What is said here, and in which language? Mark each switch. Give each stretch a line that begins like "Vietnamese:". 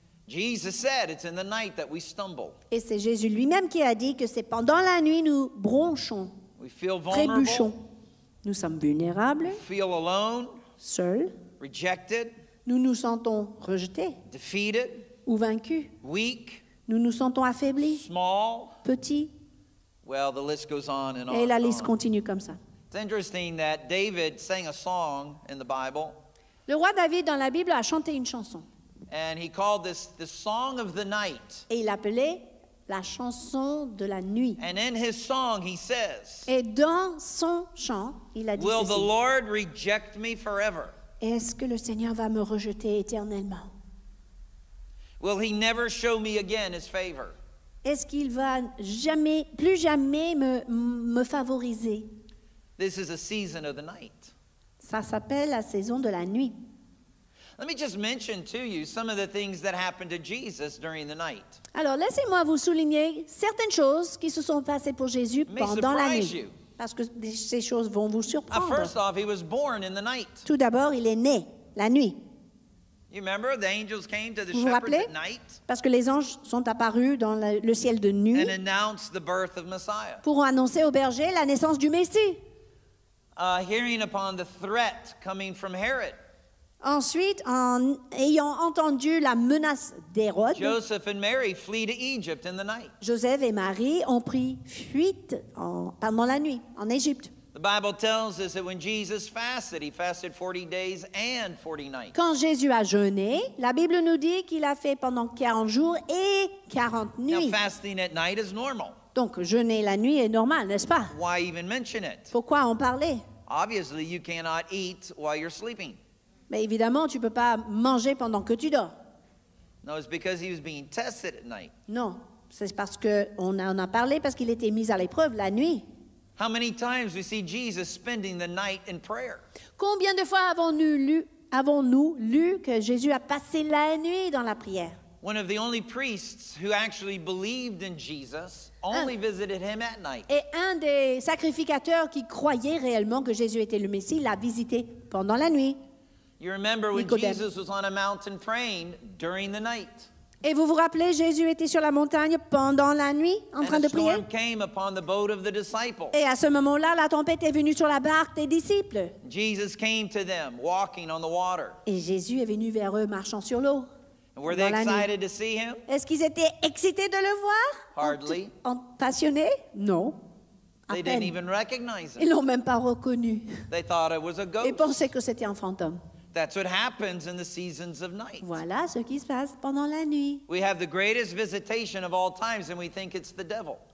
English: Jesus said it's in the night that we stumble.
French: Et c'est Jésus lui-même qui a dit que c'est pendant la nuit nous bronchons,
English: we feel vulnerable.
French: Trébuchons. Nous sommes vulnérables.
English: We feel alone,
French: seuls.
English: Rejected,
French: nous nous sentons rejetés.
English: Defeated,
French: ou vaincus.
English: Weak,
French: nous nous sentons affaiblis.
English: Small,
French: petits.
English: Well, the list goes on and on.
French: Et la liste on continue comme ça.
English: It's interesting that David sang a song in the Bible.
French: Le roi David dans la Bible a chanté une chanson.
English: And he called this the song of the night.
French: Et il appelait la chanson de la nuit.
English: And in his song he says,
French: et dans son chant, il a dit
English: will
French: ceci,
English: the Lord reject me forever?
French: Est-ce que le Seigneur va me rejeter éternellement?
English: Will he never show me again his favor?
French: Est-ce qu'il va jamais, plus jamais me favoriser?
English: This is a season of the night.
French: Ça s'appelle la saison de la nuit.
English: Let me just mention to you some of the things that happened to Jesus during the night.
French: Alors, laissez-moi vous souligner certaines choses qui se sont passées pour Jésus pendant la nuit.
English: You.
French: Parce que ces choses vont vous surprendre.
English: First off, he was born in the night.
French: Tout d'abord, il est né la nuit.
English: You remember the angels came to the
French: vous
English: shepherds
French: rappelez?
English: At night?
French: Parce que les anges sont apparus dans le ciel de nuit
English: and announced the birth of Messiah.
French: Pour annoncer aux bergers la naissance du Messie.
English: Hearing upon the threat coming from Herod.
French: Ensuite, en ayant entendu la menace d'Hérode,
English: Joseph and Mary flee to Egypt in the night.
French: Joseph et Marie ont pris fuite pendant la nuit en Égypte.
English: The Bible tells us that when Jesus fasted, he fasted 40 days and 40 nights.
French: Quand Jésus a jeûné, la Bible nous dit qu'il a fait pendant 40 jours et 40 nuits.
English: Now, fasting at night is normal.
French: Donc, jeûner la nuit est normal, n'est-ce pas?
English: Why even mention it?
French: Pourquoi en parler?
English: Obviously, you cannot eat while you're sleeping.
French: Mais évidemment, tu peux pas manger pendant que tu dors.
English: No, it's because he was being tested at night.
French: Non, c'est parce qu'on en a parlé, parce qu'il était mis à l'épreuve la nuit.
English: How many times we see Jesus spending the night in prayer?
French: Combien de fois avons-nous lu que Jésus a passé la nuit dans la prière?
English: One of the only priests who actually believed in Jesus only visited him at night.
French: Et un des sacrificateurs qui croyait réellement que Jésus était le Messie l'a visité pendant la nuit.
English: You remember when
French: Nicodème.
English: Jesus was on a mountain praying during the night?
French: Et vous vous rappelez, Jésus était sur la montagne pendant la nuit en train de prier.
English: Came upon the boat of the disciples.
French: Et à ce moment-là, la tempête est venue sur la barque des disciples.
English: Jesus came to them, walking on the water.
French: Et Jésus est venu vers eux marchant sur l'eau.
English: And were they excited to see him?
French: Est-ce qu'ils étaient excités de le voir?
English: Hardly.
French: Passionnés? Non.
English: They didn't even recognize him.
French: Ils l'ont même pas reconnu.
English: They thought it was a ghost.
French: Ils pensaient que c'était un fantôme.
English: That's what happens in the seasons of night.
French: Voilà ce qui se passe pendant la nuit.
English: We have the greatest visitation of all times and we think it's the devil.